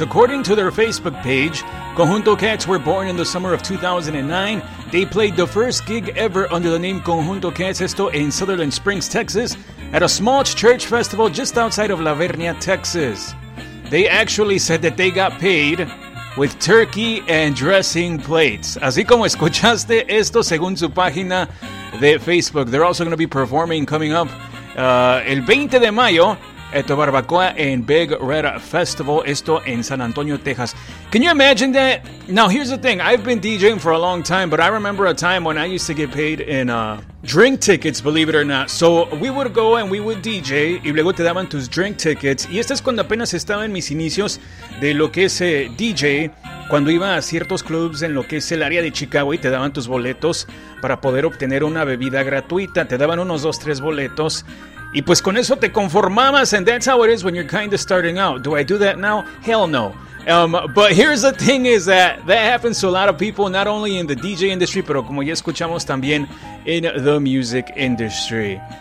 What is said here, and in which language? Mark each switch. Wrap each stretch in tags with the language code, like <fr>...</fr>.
<en>According to their Facebook page, Conjunto Cats were born in the summer of 2009. They played the first gig ever under the name Conjunto Cats,</en> <es>esto en</es> <en>Sutherland Springs, Texas, at a small church festival just outside of La Vernia, Texas. They actually said that they got paid with turkey and dressing plates.</en> <es>Así como escuchaste esto, según su página de Facebook.</es> <en>They're also going to be performing coming up</en> <es>el 20 de mayo</es> <en>at the Barbacoa and Big Red Festival.</en> <es>Esto en</es> <en>San Antonio, Texas. Can you imagine that? Now, here's the thing. I've been DJing for a long time, but I remember a time when I used to get paid in drink tickets, believe it or not. So we would go and we would DJ,</en> <es>y luego te daban tus</es> <en>drink tickets.</en> <es>Y esta es cuando apenas estaba en mis inicios de lo que es DJ, cuando iba a ciertos clubs en lo que es el área de Chicago y te daban tus boletos para poder obtener una bebida gratuita. Te daban unos 2-3 boletos. Y pues con eso te conformabas,</es> <en>and that's how it is when you're kind of starting out. Do I do that now? Hell no. But here's the thing is that happens to a lot of people, not only in the DJ industry,</en> <es>pero como ya escuchamos también</es> <en>in the music industry.</en>